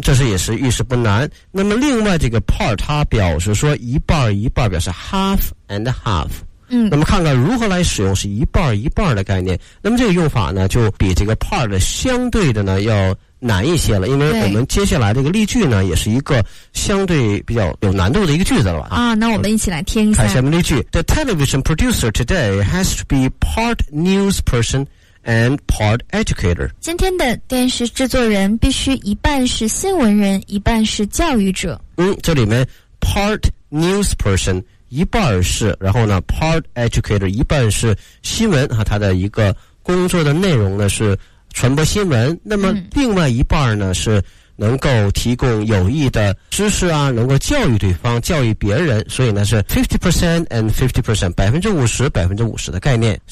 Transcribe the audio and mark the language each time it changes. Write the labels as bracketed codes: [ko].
[zh] 这是也是意识不难。那么另外这个 part 它表示说一半一半，表示 [en] half and half。 [zh] 那么看看如何来使用是一半一半的概念。那么这个用法呢就比这个 part 相对的呢要难一些了，因为我们接下来这个例句呢也是一个相对比较有难度的一个句子了啊。那我们一起来听一下。看下面例句， [en] The television producer today has to be part news person and part educator. [zh] 今天的电视制作人必须一半是新闻人一半是教育者。这里面 [en] part news person [zh] 一半是，然后呢 part educator 一半是新闻啊，他的一个工作的内容呢是传播新闻，那么另外一半呢是能够提供有益的知识啊，能够教育对方教育别人，所以呢是 50% and 50%, 50%/50% 的概念。